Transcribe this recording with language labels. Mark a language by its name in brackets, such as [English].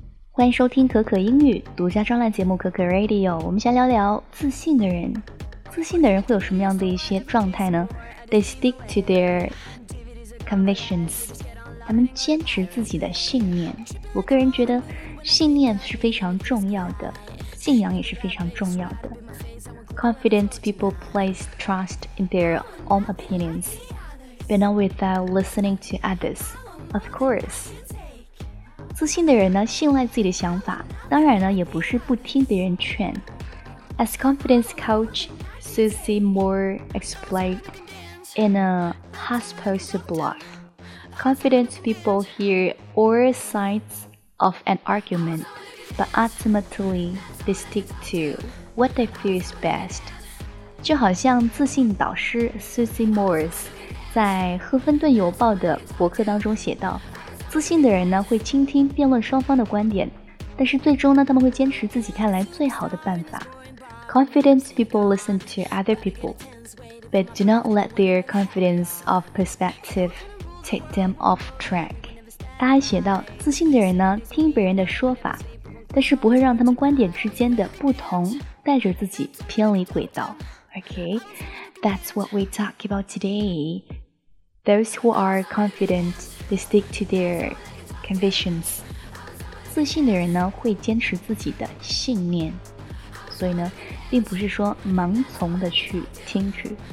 [Chinese] 欢迎收听可可英语独家专栏节目可可 Radio， 我们先聊聊自信的人。自信的人会有什么样的一些状态呢？ [English] They stick to their convictions， [Chinese] 他们坚持自己的信念。我个人觉得信念是非常重要的，信仰也是非常重要的。 [English] Confident people place trust in their own opinions but not without listening to others. Of course， [Chinese] 自信的人呢，信赖自己的想法，当然呢，也不是不听别人劝。 [English] As confidence coach Susie Moore explained in a HuffPost blog, confident people hear all sides of an argument, but ultimately they stick to what they feel is best. [Chinese] 就好像自信导师 Susie Moore 在《赫芬顿邮报》的博客当中写道，自信的人呢会倾听辩论双方的观点，但是最终呢他们会坚持自己看来最好的办法。 [English] Confident people listen to other people but do not let their confidence of perspective take them off track。 [Chinese] 他还写到，自信的人呢听别人的说法，但是不会让他们观点之间的不同带着自己偏离轨道。 [English] OK， That's what we talk about today。 Those who are confident, they stick to their convictions. [Chinese] 自信的人呢，会坚持自己的信念。所以呢，并不是说盲从的去听取。